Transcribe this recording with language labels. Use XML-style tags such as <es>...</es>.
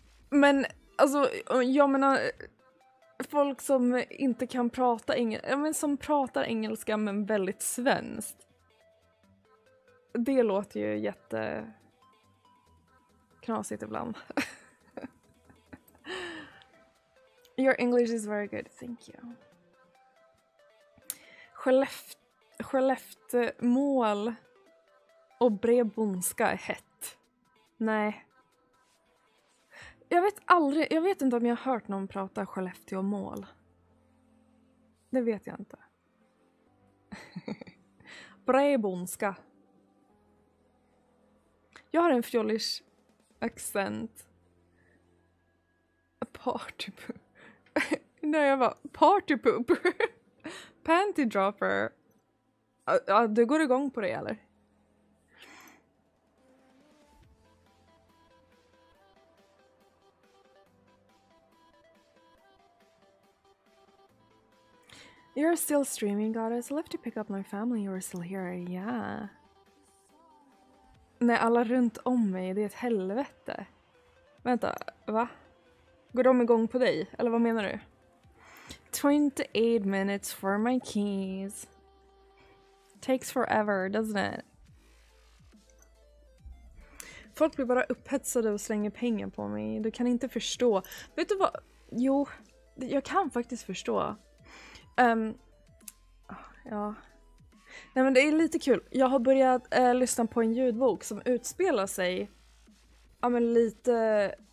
<sv>Men alltså jag menar folk som inte kan prata engelska, men som pratar engelska men väldigt svenskt. Det låter ju jätte knasigt ibland.</sv> <en>Your English is very good, thank you.</en> <sv>Skellefteåmål och bredbonska är hett. Nej. Jag vet inte om jag har hört någon prata Skellefteåmål. Det vet jag inte. Bredbonska. Jag har en fjollish accent. Partypoop. Nej, jag var partypoop.</sv> <en>Panty dropper.</en> <sv>Du går igång på det, eller?</sv> <en>You're still streaming, goddess. I left to pick up my family. You're still here. Yeah.</en> <sv>Nej, alla runt om mig, det är ett helvete. Vänta, va? Går de igång på dig? Eller vad menar du?</sv> <en>28 minutes for my keys. Takes forever, doesn't it?</en> <sv>Folk blir bara upphetsade och slänger pengar på mig. Du kan inte förstå. Vet du vad? Jo, jag kan faktiskt förstå. Ja... Nej, men det är lite kul. Jag har börjat lyssna på en ljudbok som utspelar sig lite...</sv>